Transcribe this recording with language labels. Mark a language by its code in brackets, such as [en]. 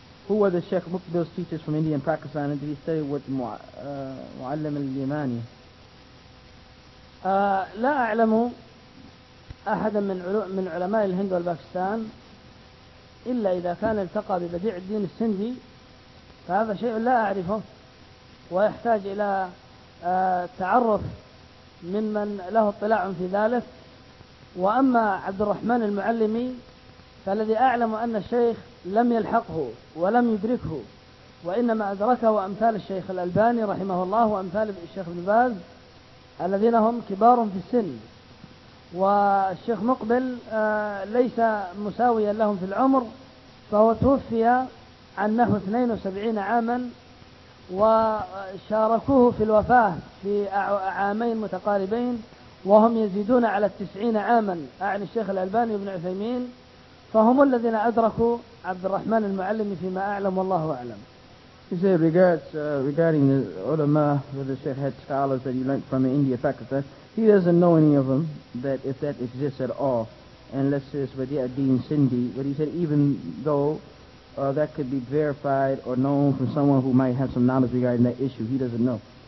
[ar] هو ذا [en] الشيخ مقبل teachers from India and Pakistan and he studied with معلم اليماني. [ar] لا أعلم أحدا من علماء الهند والباكستان إلا إذا كان التقى ببديع الدين السندي، فهذا شيء لا أعرفه ويحتاج إلى تعرف ممن له اطلاع في ذلك. وأما عبد الرحمن المعلمي فالذي أعلم أن الشيخ لم يلحقه ولم يدركه، وإنما أدركه أمثال الشيخ الألباني رحمه الله وأمثال الشيخ ابن باز الذين هم كبار في السن، والشيخ مقبل ليس مساويا لهم في العمر، فهو توفي عن نحو 72 عاما، وشاركوه في الوفاة في عامين متقاربين وهم يزيدون على 90 عاما، أعني الشيخ الألباني وابن عثيمين، فهم الذين أدركوا عبد الرحمن المعلم فيما أعلم والله أعلم. [en] He said regarding the ulama that the sheikh had scholars that he learned from India, Pakistan, he doesn't know any of them that if that exists at all, unless it's Badiuddin Sindhi. But he said even though that could be verified or known from someone who might have some knowledge regarding that issue, he doesn't know.